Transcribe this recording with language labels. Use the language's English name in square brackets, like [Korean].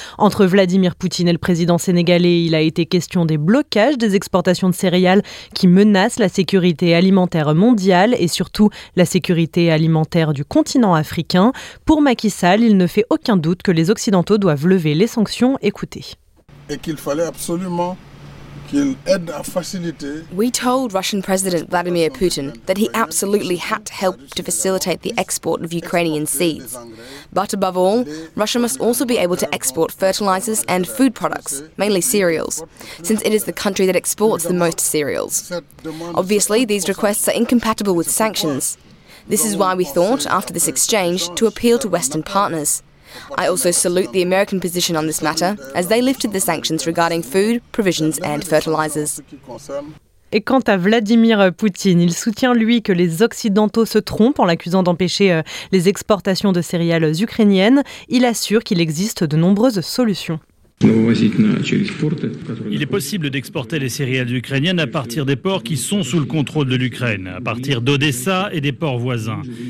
[French] Entre Vladimir Poutine et le président sénégalais, il a été question des blocages des exportations de céréales qui menacent la sécurité alimentaire mondiale et surtout la sécurité alimentaire du continent africain. Pour Macky Sall, il ne fait aucun doute que les Occidentaux doivent lever les sanctions. Écoutez. Et qu'il fallait absolument... [English] We told Russian President Vladimir Putin that he absolutely had to help to facilitate the export of Ukrainian seeds. But above all, Russia must also be able to export fertilizers and food products, mainly cereals, since it is the country that exports the most cereals. Obviously, these requests are incompatible with sanctions. This is why we thought, after this exchange, to appeal to Western partners. I also salute the American position on this matter, as they lifted the sanctions regarding food, provisions and fertilizers. [French] Et quant à Vladimir Poutine, il soutient lui que les Occidentaux se trompent en l'accusant d'empêcher les exportations de céréales ukrainiennes. Il assure qu'il existe de nombreuses solutions. Il est possible d'exporter les céréales ukrainiennes à partir des ports qui sont sous le contrôle de l'Ukraine, à partir d'Odessa et des ports voisins.